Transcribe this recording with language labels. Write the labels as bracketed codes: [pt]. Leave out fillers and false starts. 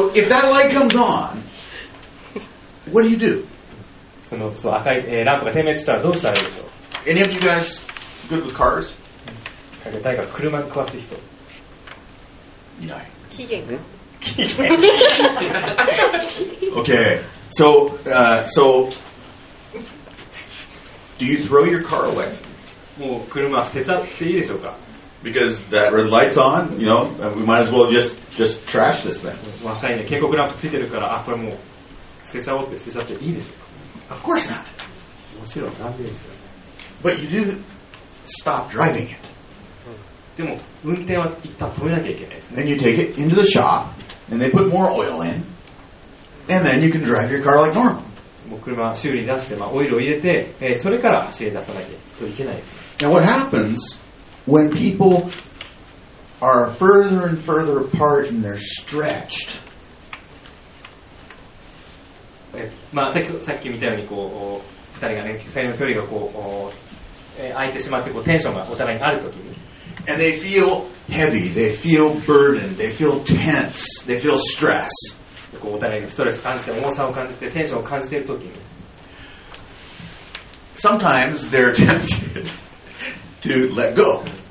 [en] So if that light comes on, what do you do? [ja] その赤い、ランプが点滅したらどうしたらいいでしょう。 [en] Any of you guys good with cars? [ja] 誰か車に詳しい人。いない。期限。期限。 [en] Okay. So, so. Do you throw your car away? [ja] もう車捨てちゃっていいでしょうか? [en] Because that red light's on, you know, we might as well just trash this thing. [ja] 若いね、警告ランプついてるから、あ、これもう捨てちゃおうって捨てちゃっていいでしょうか? [en] Of course not. [ja] もちろんダメですよね。 [en] But you didn't stop driving it. [ja] でも運転は一旦止めなきゃいけないですね。 [en] Then you take it into the shop, and they put more oil in, and then you can drive your car like normal. [ja] もう車修理に出して、まあ、オイルを入れて、それから走り出さないといけないです。 [en] Now what happens when people are further and further apart and they're stretched? [ja] まあ、さっきみたいにこう2人がね、2人の距離がこう空いてしまってこうテンションがお互いにあるときに。 [en] And they feel heavy, they feel burdened, they feel tense, they feel stress. [ja] こうお互いにストレス感じて、重さを感じて、テンションを感じているときに。 [en] Sometimes they're tempted to let go.